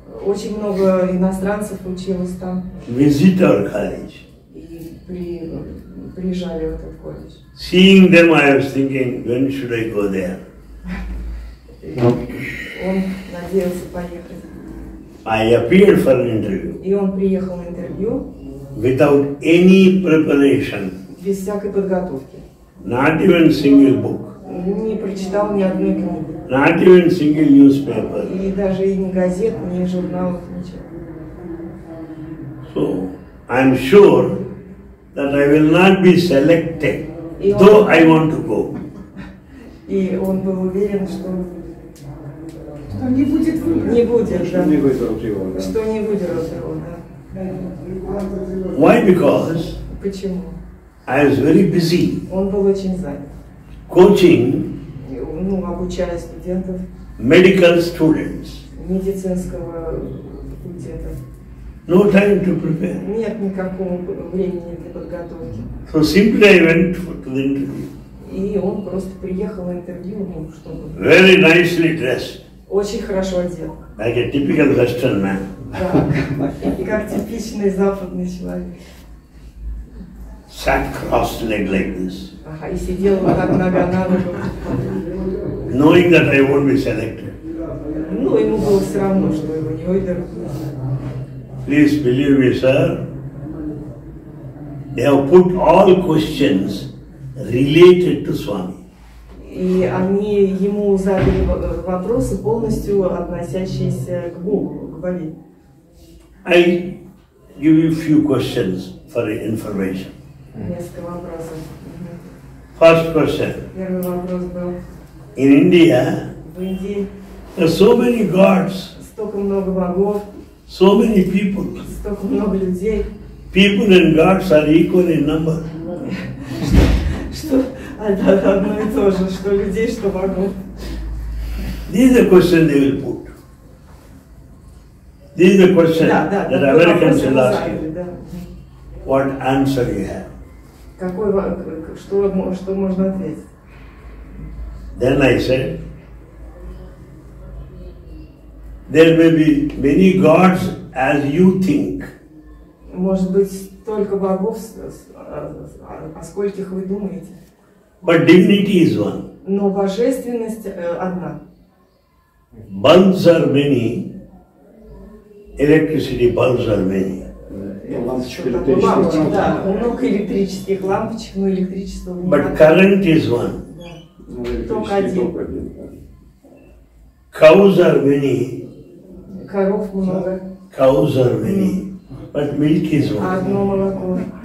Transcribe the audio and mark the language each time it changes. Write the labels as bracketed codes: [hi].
[ru] Очень много иностранцев училось там. [en] Visitor college. [ru] И приезжали в этот колледж. [en] Seeing them, I was thinking, when should I go there? [ru] Он надеялся поехать. [en] I appeared for an interview. [ru] И он приехал на интервью. [en] Without any preparation. [ru] Без всякой подготовки. [en] Not even single book. [ru] Не прочитал ни одной книги. [en] Not even single newspaper. [ru] И даже ни газет, ни журналов, ничего. [en] So, I'm sure that I will not be selected, though I want to go. [ru] И он был уверен, что не будет выбрать. Не будет, что не выдерут его, да. Что не выдерут его, да. [en] Why? Because? [ru] Почему? [en] I was very busy. [ru] Он был очень занят. [en] Coaching. [ru] Ну, обучая студентов. [en] Medical students. [ru] Медицинского факультета. [en] No time to prepare. [ru] Нет никакого времени для подготовки. [en] So simply I went for the interview. [ru] И он просто приехал на интервью, ну, чтобы. [en] Very nicely dressed. [ru] Очень хорошо одел. [en] Like a typical Western man. [ru] Да, как типичный западный человек. [en] Sat cross-legged like this. [ru] Ага, и сидел вот так нога на ногу. [en] Knowing that I won't be selected. [ru] Ну, ему было все равно, что его не выберут. [en] Please believe me, sir. They have put all questions related to Swami. [ru] И они ему задали вопросы, полностью относящиеся к Богу, к Боге. [en] I give you a few questions for information. [ru] Несколько вопросов. [en] First question. [ru] Первый вопрос был. [en] In India. [ru] В Индии. [en] There are so many gods. [ru] Столько много богов. [en] So many people. [ru] Столько много людей. [en] People and gods are equal in number. [ru] Что? Это одно и то же, что людей, что богов. [en] This is the question they will put. This is the question that Americans will ask you. What answer you have? [ru] Какой вопрос? Что можно ответить? [en] Then I said, there may be many gods as you think. [ru] Может быть, столько богов, о скольких вы думаете? [en] But divinity is one. [ru] Но божественность одна. [en] Bulbs are many. Electricity bulbs are many. [ru] Лампочки, да, много электрических лампочек, но электричество. [en] But current is one. [ru] Ток один. [en] Cows are many. [ru] Коров много. [en] Cows are many. But milk is one. [ru] Одно молоко.